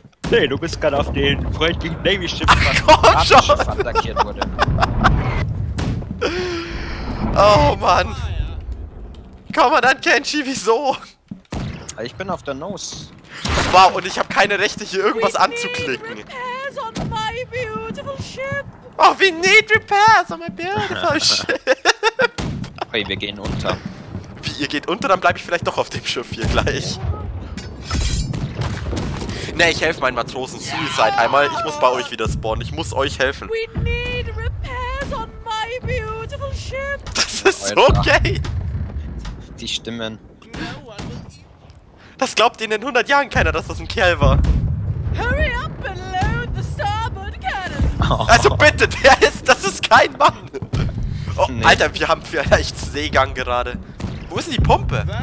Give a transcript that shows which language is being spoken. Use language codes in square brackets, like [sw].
[de] Nee, du bist gerade auf dem freundlichen Navy-Schiff, was Piratenschiff attackiert wurde. Oh Mann! Kommandant Kenshi, wieso? Ich bin auf der Nose. Wow, und ich habe keine Rechte, hier irgendwas [en] we [de] anzuklicken. [en] Need on my beautiful ship. Oh, we need repairs on my beautiful ship! [de] Hey, wir gehen unter. Wie, ihr geht unter? Dann bleibe ich vielleicht doch auf dem Schiff hier gleich. Ne, ich helfe meinen Matrosen. Suicide einmal. Ich muss bei euch wieder spawnen. Ich muss euch helfen. [en] We need repairs on my beautiful ship. [de] Das ist so gay. Die Stimmen. Das glaubt ihnen in 100 Jahren keiner, dass das ein Kerl war. [en] Hurry up and load the starboard cannon. [de] Also bitte, das ist kein Mann. Oh, nee. Alter, wir haben vielleicht Seegang gerade. Wo ist denn die Pumpe?